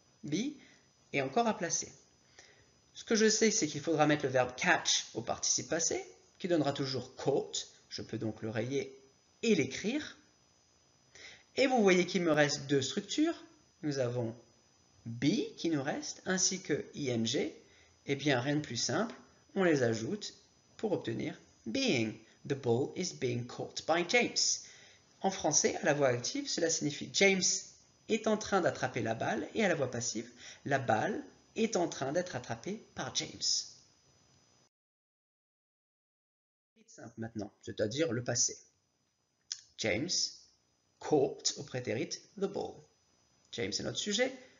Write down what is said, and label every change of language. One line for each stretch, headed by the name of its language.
French: Be est encore à placer. Ce que je sais, c'est qu'il faudra mettre le verbe catch au participe passé, qui donnera toujours caught. Je peux donc le rayer et l'écrire. Et vous voyez qu'il me reste deux structures. Nous avons be qui nous reste, ainsi que ing. Eh bien, rien de plus simple, on les ajoute pour obtenir being.
English: The ball is being caught by James.
French: En français, à la voix active, cela signifie James est en train d'attraper la balle, et à la voix passive, la balle est en train d'être attrapée par James. C'est simple maintenant, c'est-à-dire le passé. James caught au prétérit the ball. James est notre sujet.